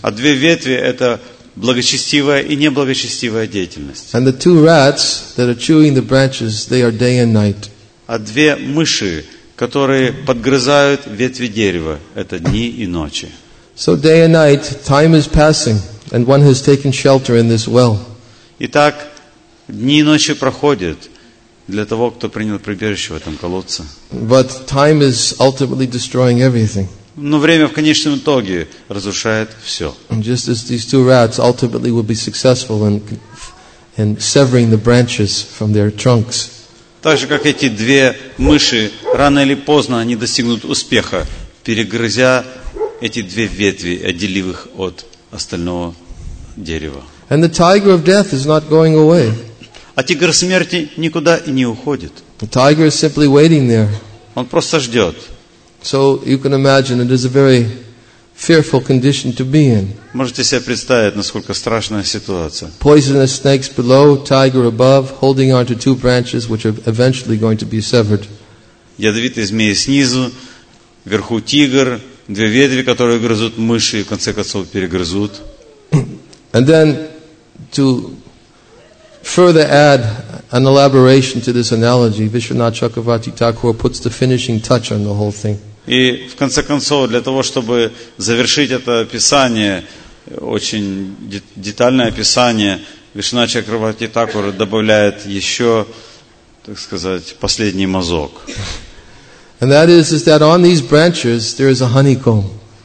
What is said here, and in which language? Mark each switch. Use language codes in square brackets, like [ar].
[ru] А две ветви – это благочестивая и неблагочестивая деятельность. [en] And the two rats that are chewing the branches, they are day and night. [ru] А две мыши, которые подгрызают ветви дерева, это дни и ночи. [en] So day and night, time is passing, and one has taken shelter in this well. [ru] Итак, дни и ночи проходят для того, кто принял прибежище в этом колодце. [en] But time is ultimately destroying everything. [ru] Но время в конечном итоге разрушает все. [en] Just as these two rats ultimately will be successful in severing the branches from their trunks. [ru] Так же, как эти две мыши, рано или поздно они достигнут успеха, перегрызя эти две ветви, отделив их от остального дерева. [en] And the tiger of death is not going away. [ru] А тигр смерти никуда и не уходит. [en] The tiger is simply waiting there. [ru] Он просто ждет. [en] So you can imagine it is a very fearful condition to be in. [ru] Можете себе представить, насколько страшная ситуация. [en] Poisonous snakes below, tiger above, holding on to two branches which are eventually going to be severed. [ru] Ядовитые змеи снизу, вверху тигр, две ветви, которые грызут мыши и в конце концов перегрызут. [en] And then to further add an elaboration to this analogy, Vishwanath Chakravarti Thakur puts the finishing touch on the whole thing. [ru] И в конце концов, для того, чтобы завершить это описание, очень детальное описание, Вишнач Акравати Такур добавляет еще, так сказать, последний мазок. [en] And that is that on these branches there is a honeycomb.